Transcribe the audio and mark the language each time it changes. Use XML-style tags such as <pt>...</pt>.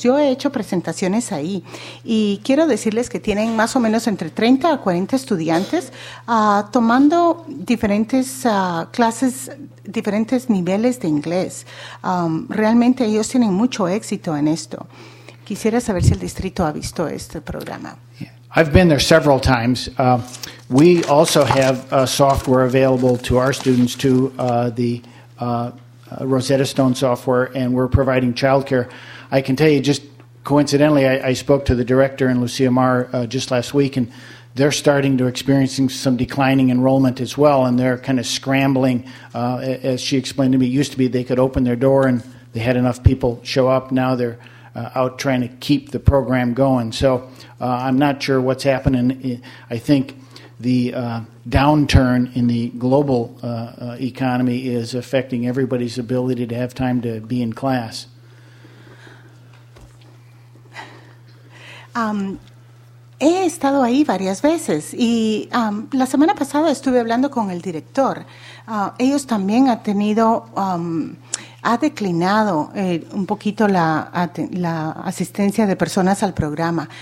<es>Yo he hecho presentaciones ahí. Y quiero decirles que tienen más o menos entre 30 a 40 estudiantes tomando diferentes clases, diferentes niveles de inglés. Realmente ellos tienen mucho éxito en esto. Quisiera saber si el distrito ha visto este programa.</es> <en>Yeah. I've been there several times. We also have software available to our students, too, the Rosetta Stone software, and we're providing childcare. I can tell you, just coincidentally, I spoke to the director and Lucia Marr just last week, and they're starting to experience some declining enrollment as well, and they're kind of scrambling. As she explained to me, it used to be they could open their door and they had enough people show up. Now they're out trying to keep the program going. So I'm not sure what's happening. I think the downturn in the global economy is affecting everybody's ability to have time to be in class.</en> <es>He estado ahí varias veces y la semana pasada estuve hablando con el director. Ellos también han tenido, ha declinado un poquito la asistencia de personas al programa.</es>